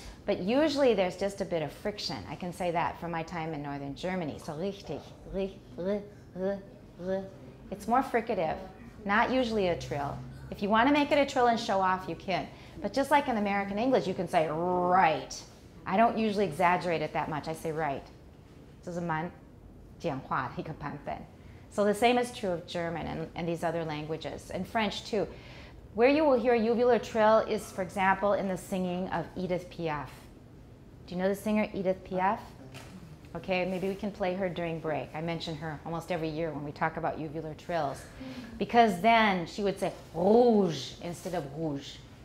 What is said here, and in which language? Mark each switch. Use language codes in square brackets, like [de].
[en] But usually there's just a bit of friction. I can say that from my time in Northern Germany. So richtig, it's more fricative, not usually a trill. If you want to make it a trill and show off, you can. But just like in American English, you can say right, I don't usually exaggerate it that much. I say right. [zh] 这是蛮简化的一个版本。 [en] So the same is true of German and these other languages, and French too. Where you will hear uvular trill is, for example, in the singing of Edith Piaf. Do you know the singer Edith Piaf? Okay, maybe we can play her during break. I mention her almost every year when we talk about uvular trills. Because then she would say rouge instead of rouge.